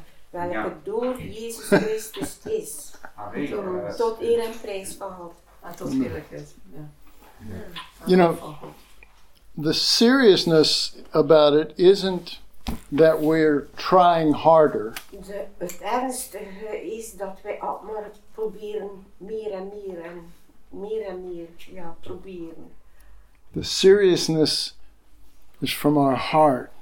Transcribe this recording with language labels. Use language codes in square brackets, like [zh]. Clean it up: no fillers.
[nl] Welke door Jezus Christus is. Tot eer en prijs van God. En tot heerlijkheid. [en] You know, the seriousness about it isn't that we're trying harder. [nl] Het ernstige is dat wij ook maar proberen meer en meer en meer en meer, ja, proberen. [en] The seriousness is from our heart.